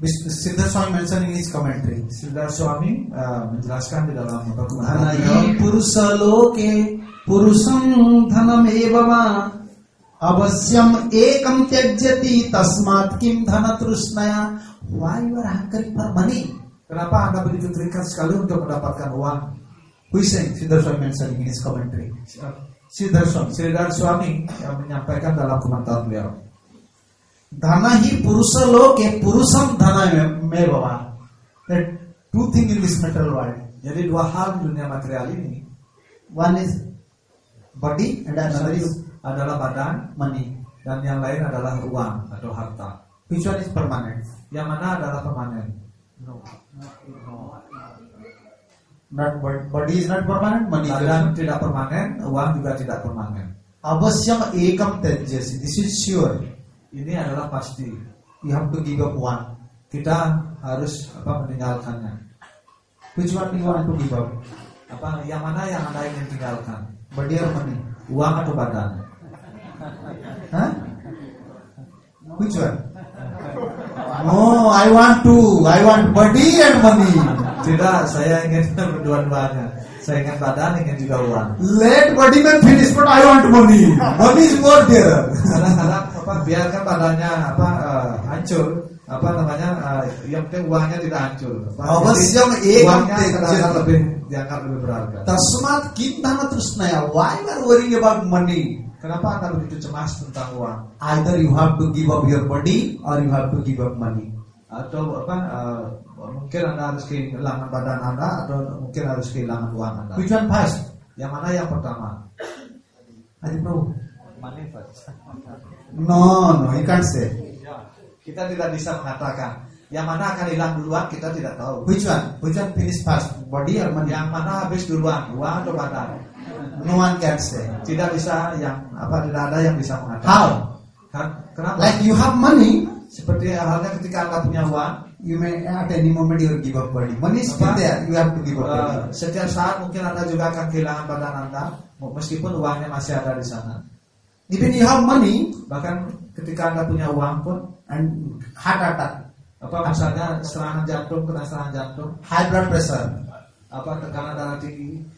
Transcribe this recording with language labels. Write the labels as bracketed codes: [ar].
[en] Siddhar Swami mentioning his commentary. [id] Siddhar Swami menjelaskan di dalam bagaimana [sa] purusa loke purusam dhanam evama avasyam ekam tyajyati tasmat kim dhanatrusnaya. [en] Why you are hankering for money? [id] Kenapa anda begitu terikat sekali untuk mendapatkan uang? [en] Who is saying? Siddhar Swami mentioning in his commentary. [id] Siddhar Swami. Siddhar Swami yang menyampaikan dalam komentar beliau. [sa] Dhana hi purusa loke purusam dhana me bhava. [en] That two things in this material world. [id] Jadi dua hal di dunia material ini. [en] One is body and another is [id] adalah badan, [en] money. [id] Dan yang lain adalah uang atau harta. [en] Which one is permanent? [id] Yang mana adalah permanent? [en] No. Not body is not permanent. Money [id] badan tidak permanen, uang juga tidak permanen. [sa] Avasyam ekam tejas. [en] This is sure. [id] Ini adalah pasti. [en] You have to give up one. [id] Kita harus apa meninggalkannya. [en] Which one do you want to give up? [id] Apa yang mana yang anda ingin tinggalkan? [en] Body or money? [id] Uang atau badan? [en] Huh? Which one? No, I want two. I want body and money. [id] Tidak, saya ingin berdua-duanya. Saya ingin badan, ingin juga uang. [en] Let body man finish, but I want money. Money is more dear. [id] Biarkan badannya apa hancur apa namanya yang penting uangnya tidak hancur. [sa] Awasiam [id] uangnya lebih dianggap lebih berharga. Tasmat kita terus naya. [en] Why are worrying about money? [id] Kenapa anda begitu cemas tentang uang? [en] Either you have to give up your body or you have to give up money. [id] Atau apa mungkin anda harus kehilangan badan anda atau mungkin harus kehilangan uang anda. [en] Which one first? [id] Yang mana yang pertama? Adi bro. [en] Money first. No, you can't say. [id] Kita tidak bisa mengatakan. Yang mana akan hilang duluan kita tidak tahu. [en] Which one finish fast, body or money? [id] Yang mana habis duluan, uang atau badan? [en] No one can say. [id] Tidak bisa yang apa tidak ada yang bisa mengatakan. [en] How? [id] Kenapa? [en] Like you have money, [id] seperti halnya ketika anda punya uang. [en] you may at any moment you will give up body. One is still there, you have to give up body. [id] Setiap saat mungkin Anda juga akan kehilangan badan Anda, meskipun uangnya masih ada di sana. [en] Even you have money, [id] bahkan ketika Anda punya uang pun, [en] and heart attack, [id] apa misalnya serangan jantung, kena serangan jantung, [en] high blood pressure, [id] apa tekanan darah tinggi,